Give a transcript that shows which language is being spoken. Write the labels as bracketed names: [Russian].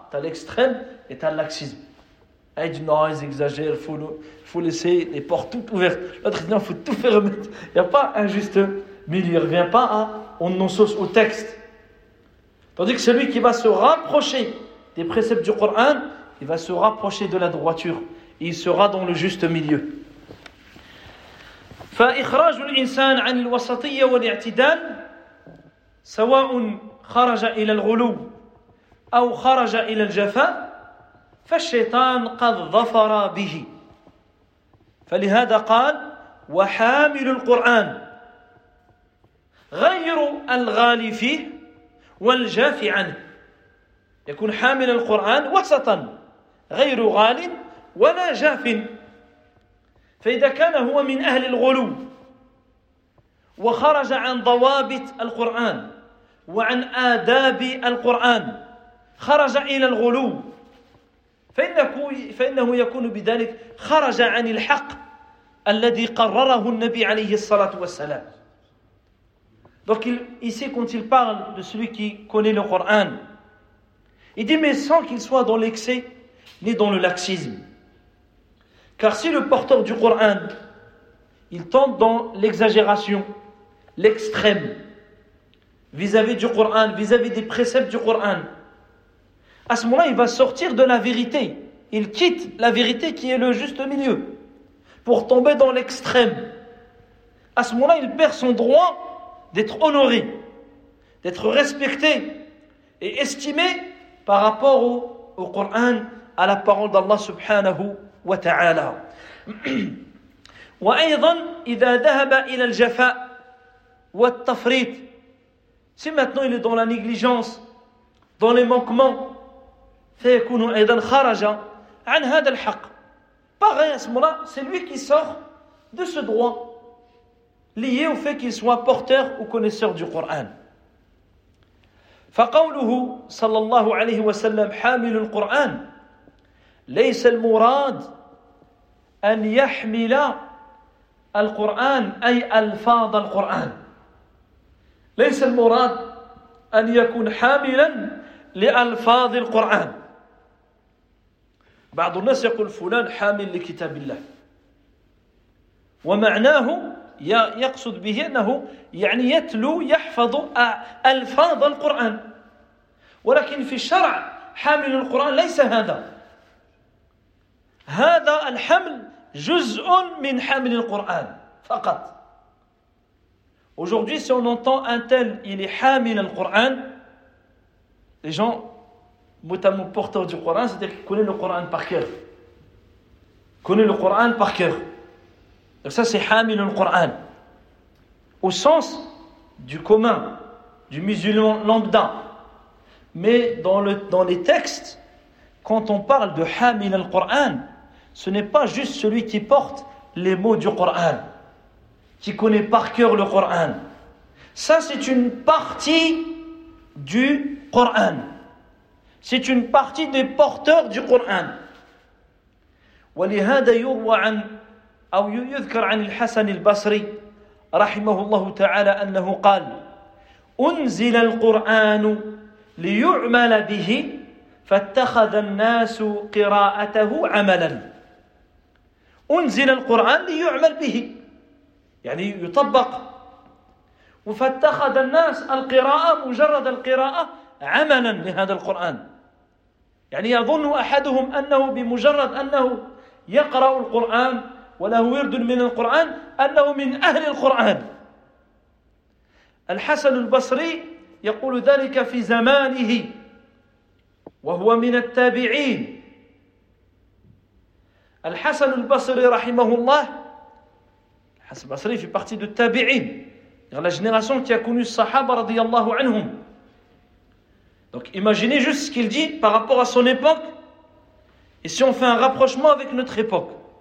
[French] T'as l'extrême et t'as le laxisme. Un dit non, ils exagèrent, faut laisser les portes toutes ouvertes. L'autre dit non, faut tout fermer. Il n'y a pas un juste milieu. Il ne revient pas à on en sauce au texte. Tandis que celui qui va se rapprocher des préceptes du Coran, il va se rapprocher de la droiture et il sera dans le juste milieu. [Arabic] فإخراج الإنسان عن الوسطية والاعتدال سواء خرج إلى الغلو أو خرج إلى الجفاء فالشيطان قد ظفر به. فلهذا قال وحامل القرآن غير الغالي فيه والجاف عنه. يكون حامل القرآن وسطا غير غال ولا جاف. فإذا كان هو من أهل الغلو وخرج عن ضوابط القرآن وعن آداب القرآن خرج إلى الغلو فإنه يكون بذلك خرج عن الحق الذي قرره النبي عليه الصلاة والسلام. [French] Donc ici quand il parle de celui qui connaît le Coran, il dit mais sans qu'il soit dans l'excès ni dans le laxisme. Car si le porteur du Coran, il tombe dans l'exagération, l'extrême vis-à-vis du Coran, vis-à-vis des préceptes du Coran, à ce moment-là, il va sortir de la vérité. Il quitte la vérité qui est le juste milieu pour tomber dans l'extrême. À ce moment-là, il perd son droit d'être honoré, d'être respecté et estimé par rapport au Coran, à la parole d'Allah subhanahu wa ta'ala. [Arabic] وأيضا إذا ذهب إلى الجفاء والتفريط. [French] Si maintenant il est dans la négligence, dans les manquements, [Arabic] فيكون أيضا خرج عن هذا الحق. [French] Pareil à ce moment-là, c'est lui qui sort de ce droit lié au fait qu'il soit porteur ou connaisseur du Coran. [Arabic] فقوله صلى الله عليه وسلم حامل القرآن ليس المراد أن يحمل القرآن أي ألفاظ القرآن ليس المراد أن يكون حاملا لألفاظ القرآن. بعض الناس يقول فلان حامل لكتاب الله ومعناه يقصد به أنه يعني يتلو يحفظ ألفاظ القرآن ولكن في الشرع حامل القرآن ليس هذا هذا الحمل جزء من حامل القرآن فقط. [French] Aujourd'hui, si on entend un tel, il est hamil le Coran, les gens, notamment porteurs du Coran, c'est-à-dire qu'ils connaissent le Coran par cœur. Connaissent le Coran par cœur. Donc, ça, c'est hamil le Coran. Au sens du commun, du musulman lambda. Mais dans les textes, quand on parle de hamil le Coran, ce n'est pas juste celui qui porte les mots du Coran, qui connaît par cœur le Coran. Ça, c'est une partie du Coran. C'est une partie des porteurs du Coran. [Arabic] وَلِهَذَا يُرْوَى عَنْ أَوْ يُذْكَرْ عَنِ الْحَسَنِ الْبَصْرِ رَحِمَهُ اللَّهُ تَعَالَى أَنَّهُ قَالْ أُنْزِلَ الْقُرْآنُ لِيُعْمَلَ بِهِ فَاتَّخَذَ النَّاسُ قِرَاءَتَهُ عَمَلًا أُنْزِلَ الْقُرْآنُ لِيُعْمَلَ بِهِ يعني يطبق وفاتخذ الناس القراءة مجرد القراءة عملا لهذا القرآن يعني يظن أحدهم أنه بمجرد أنه يقرأ القرآن وله ورد من القرآن أنه من أهل القرآن. الحسن البصري يقول ذلك في زمانه وهو من التابعين. الحسن البصري رحمه الله [French] Al-Basri fait partie de Tabi'in, la génération qui a connu Sahaba radiyallahu anhum. Donc imaginez juste ce qu'il dit par rapport à son époque et si on fait un rapprochement avec notre époque.